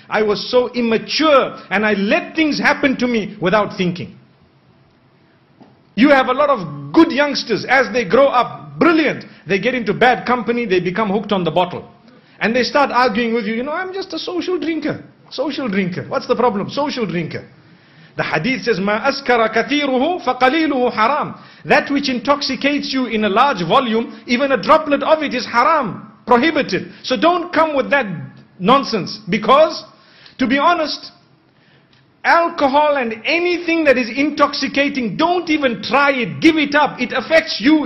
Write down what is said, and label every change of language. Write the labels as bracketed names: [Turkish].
[English] I was so immature. And I let things happen to me without thinking. You have a lot of good youngsters. As they grow up, brilliant. They get into bad company. They become hooked on the bottle. And they start arguing with you. You know, I'm just a social drinker. Social drinker. What's the problem? Social drinker. [Arabic] The hadith says, مَا أَسْكَرَ كَثِيرُهُ فَقَلِيلُهُ حَرَامٌ. [English] That which intoxicates you in a large volume, even a droplet of it is haram, prohibited. So don't come with that nonsense. Because, to be honest, alcohol and anything that is intoxicating, don't even try it. Give it up. It affects you.